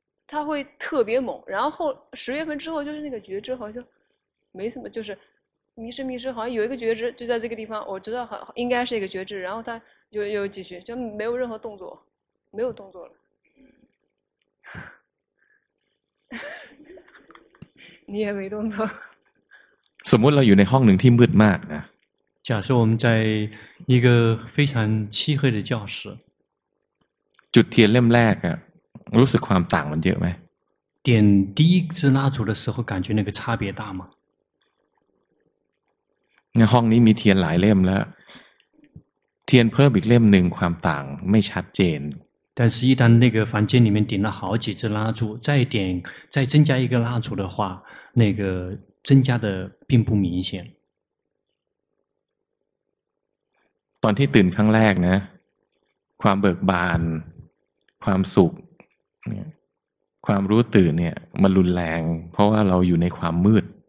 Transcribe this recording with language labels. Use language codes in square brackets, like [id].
[zh] 他会特别猛，然后10月份之后，就是那个觉知好像没什么，就是迷失迷失，好像有一个觉知就在这个地方，我知道好应该是一个觉知，然后他又继续，就没有任何动作，没有动作了，你也没动作。 [th] สมมติเราอยู่ในห้องหนึ่งที่มืดมากนะ [zh] 假设我们在一个非常漆黑的教室。 [th] จุดเทียนเล่มแรกอะรู้สึกความต่างมันเยอะไหม [zh] 点第一支蜡烛的时候感觉那个差别大吗 [th] ห้องนี้มีเทียนหลายเล่มแล้วเทียนเพิ่มอีกเล่มหนึ่งความต่างไม่ชัดเจน [zh] 但是一旦那个房间里面点了好几支蜡烛再点再增加一个蜡烛的话那个增加的并不明显 [th] ตอนที่ตื่นครั้งแรกนะความเบิกบานความสุขความรู้ตื่นเนี่ยมันรุนแรงเพราะว่าเราอยู่ในความมืด